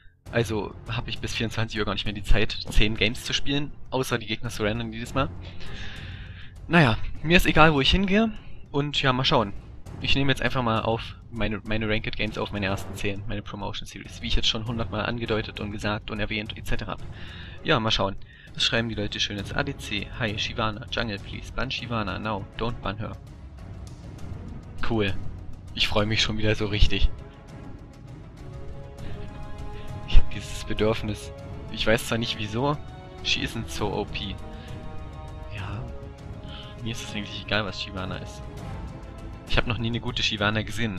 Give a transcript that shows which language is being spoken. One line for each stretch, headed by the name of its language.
German: Also habe ich bis 24 Uhr gar nicht mehr die Zeit, 10 Games zu spielen, außer die Gegner zu random dieses Mal. Naja, mir ist egal, wo ich hingehe und ja, mal schauen. Ich nehme jetzt einfach mal auf meine Ranked Games auf, meine ersten 10, meine Promotion Series, wie ich jetzt schon 100 Mal angedeutet und gesagt und erwähnt etc. Ja, mal schauen. Was schreiben die Leute schön jetzt?
English: ADC, hi, Shyvana, Jungle please, ban Shyvana, now, don't ban her.
German: Cool. Ich freue mich schon wieder so richtig. Ich habe dieses Bedürfnis. Ich weiß zwar nicht wieso,
English: she isn't so OP.
German: Ja, mir ist es eigentlich egal, was Shyvana ist. Ich habe noch nie eine gute Shyvana gesehen.